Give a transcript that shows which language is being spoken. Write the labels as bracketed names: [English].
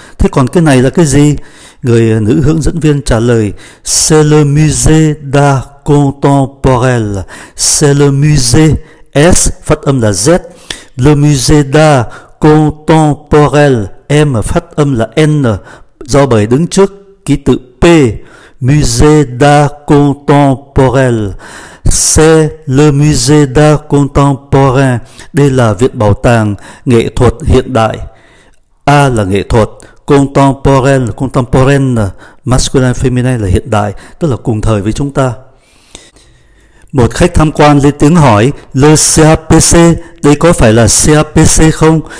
[Vietnamese] Thế còn cái này là cái gì? Người nữ hướng dẫn viên trả lời [French] c'est le musée d'art contemporain. C'est le musée, [Vietnamese] S phát âm là Z. [French] Le musée d'art contemporain, [Vietnamese] M phát âm là N, do bởi đứng trước ký tự [French] P, Musée d'art contemporain. C'est le Musée d'art contemporain. [Vietnamese] Đây là viện bảo tàng nghệ thuật hiện đại. A là nghệ thuật, contemporain, contemporain masculine feminine là hiện đại, tức là cùng thời với chúng ta. Một khách tham quan lên tiếng hỏi, le CAPC, đây có phải là CAPC không?